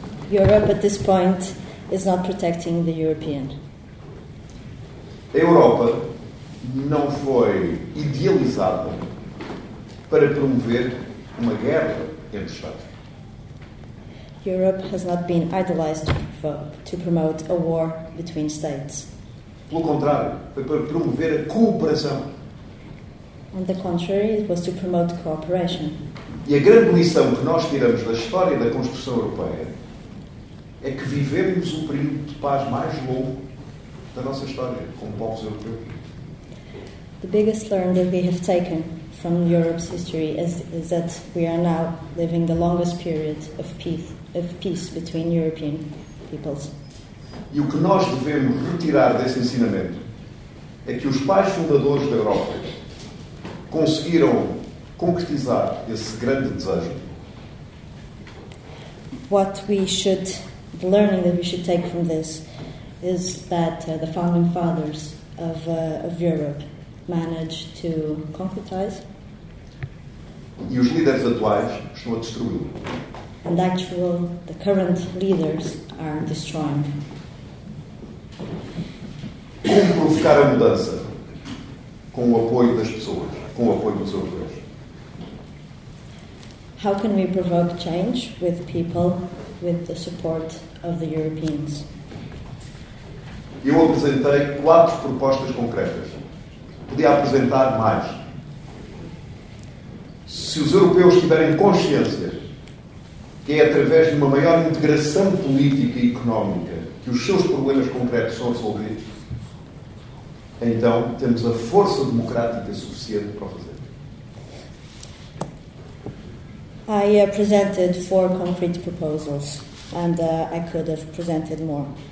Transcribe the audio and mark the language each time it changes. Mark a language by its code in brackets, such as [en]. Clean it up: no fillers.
[en] Europe at this point is not protecting the European. [pt] Europa não foi idealizada para promover uma guerra entre Estados. [en] Europe has not been idealized to promote a war between states. [pt] Pelo contrário, foi para promover a cooperação. [en] On the contrary, it was to promote cooperation. [pt] E a grande lição que nós tiramos da história da construção europeia é que vivemos o período de paz mais longo da nossa história como povos europeus. [en] The biggest learn that we have taken from Europe's history is that we are now living the longest period of peace between European peoples. [pt] E o que nós devemos retirar desse ensinamento é que os pais fundadores da Europa conseguiram concretizar esse grande desejo. [en] The learning that we should take from this is that the founding fathers of Europe managed to concretize. [pt] E os líderes atuais estão a destruí-lo. [en] And actually, the current leaders are destroying. [pt] Como provocar a mudança com o apoio das pessoas, com o apoio dos europeus? [en] How can we provoke change with people, with the support of the Europeans? [pt] eu apresentei 4 propostas concretas. Podia apresentar mais. Se os europeus tiverem consciência que é através de uma maior integração política e económica que os seus problemas concretos são resolvidos, então temos a força democrática suficiente para fazer. [en] I presented 4 concrete proposals, and I could have presented more.